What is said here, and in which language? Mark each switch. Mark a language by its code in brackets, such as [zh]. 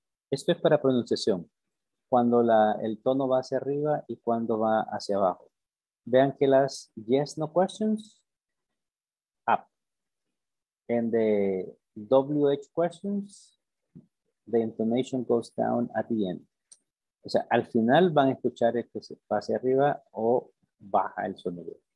[es] Esto es para pronunciación. Cuando el tono va hacia arriba y cuando va hacia abajo. Vean que las [en] yes, no questions, up. And the WH questions, the intonation goes down at the end. [es] O sea, al final van a escuchar el que se pase arriba o baja el sonido.